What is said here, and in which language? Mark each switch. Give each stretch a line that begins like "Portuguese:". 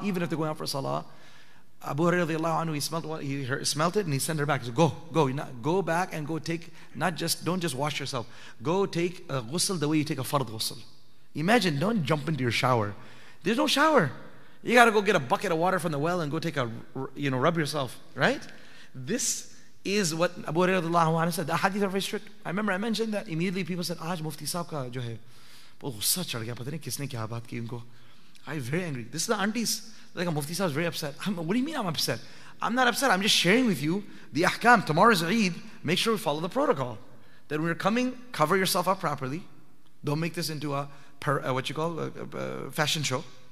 English: Even if they're going out for salah, Abu Hurairah, he smelt it and he sent her back. He said, go back and go take, don't just wash yourself, go take a ghusl the way you take a fard ghusl. Imagine, don't jump into your shower. There's no shower. You gotta go get a bucket of water from the well and go take a, rub yourself, right? This is what Abu Hurairah said. The hadith are very strict. I remember I mentioned that immediately people said,
Urdu: "آج مفتی صاب کا جو ہے، اوہ، سچ چل گیا، پتا نہیں کس نے کیا بات کی ان کو."
English: I'm very angry. This is the aunties. Like Mufti Saab is very upset. What do you mean I'm upset? I'm not upset. I'm just sharing with you the ahkam. Tomorrow's Eid. Make sure we follow the protocol. That when you're coming, cover yourself up properly. Don't make this into a fashion show.